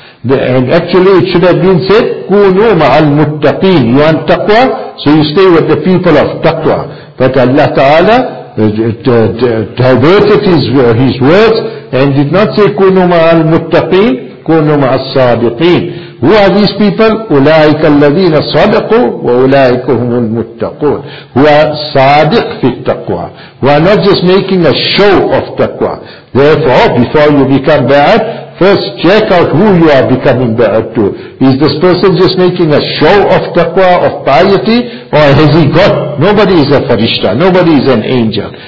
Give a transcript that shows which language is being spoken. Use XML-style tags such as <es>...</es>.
<en>And actually it should have been said,</en> <ar>Kunu ma'al muttaqeen.</ar> <en>You want taqwa? So you stay with the people of taqwa. But Allah Ta'ala diverted his words and did not say</en> <ar>kunu ma'al muttaqeen, kunu ma'al sadiqeen.</ar> <en>Who are these people?</en> <ar>أُولَٰئِكَ الَّذِينَ صَدَقُوا وَأُولَٰئِكَ هُمُ الْمُتَّقُونَ.</ar> <en>Who are</en> <ar>صادق في التقوى.</ar> <en>Who are not just making a show of taqwa. Therefore, before you become bad, first check out who you are becoming bad to. Is this person just making a show of taqwa, of piety, or has he got, nobody is a farishta, nobody is an angel.</en>